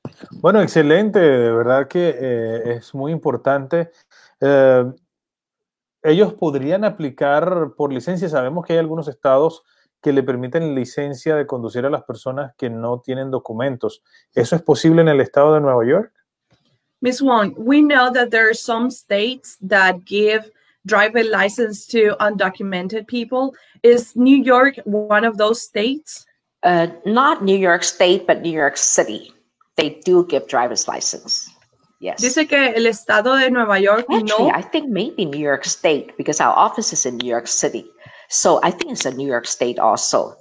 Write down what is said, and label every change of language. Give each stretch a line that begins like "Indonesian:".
Spanish: Bueno, excelente. De verdad que es muy importante. Ellos podrían aplicar por licencia. Sabemos que hay algunos estados que le permiten licencia de conducir a las personas que no tienen documentos. ¿Eso es posible en el estado de Nueva York?
English: Ms. Wong, we know that there are some states that give driver license to undocumented people. Is New York one of those states? Not New York State, but New York City. They do give driver's license. Yes.
Spanish: Dice que el estado de Nueva York no.
English: Actually, I think maybe New York State, because our office is in New York City. So I think it's a New York State also.